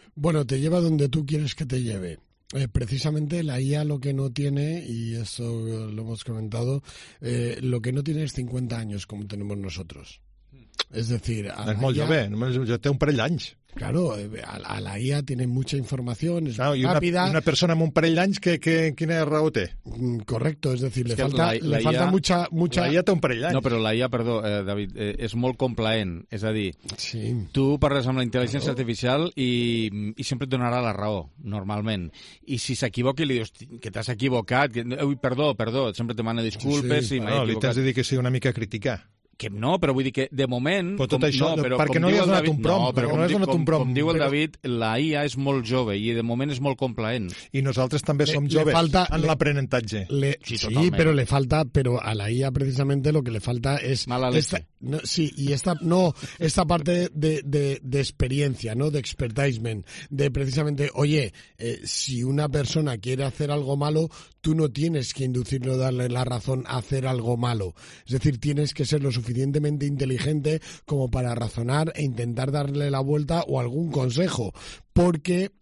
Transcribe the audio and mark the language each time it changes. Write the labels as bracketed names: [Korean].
[Spanish] Bueno, te lleva donde tú quieres que te lleve. Precisamente la IA lo que no tiene, y eso lo hemos comentado, lo que no tiene es 50 años como tenemos nosotros. Es decir, es muy joven, yo tengo [Catalan] un parell d'anys. [Spanish] Claro, a la IA tiene mucha información, es claro, rápida. [Catalan] Una persona amb un parell d'anys, quina raó té? [Spanish] Correcto, es decir, le falta mucha... [Catalan] La IA té un parell d'anys. No, però la IA, perdó, David, és molt complaent. És a dir, sí. Tu parles amb la intel·ligència claro. artificial i sempre et donarà la raó, normalment. I si s'equivoca i li dius que t'has equivocat, perdó, sempre te mana disculpes sí, sí. i m'he equivocat. Li t'has de dir que sigui una mica crítica. Que no, però vull dir que de moment... Però tot això, perquè no li has donat un prompt. No, però com diu el David, la IA és molt jove i de moment és molt complaent. I nosaltres també som joves en l'aprenentatge. Sí, però [Spanish] le falta, [Catalan] però a la IA precisament lo que le falta és... [Spanish] Mala leche. No, sí, y esta parte de experiencia, ¿no? De expertisement, de precisamente, oye, si una persona quiere hacer algo malo, tú no tienes que inducirlo, darle la razón a hacer algo malo. Es decir, tienes que ser lo suficientemente inteligente como para razonar e intentar darle la vuelta o algún consejo, porque...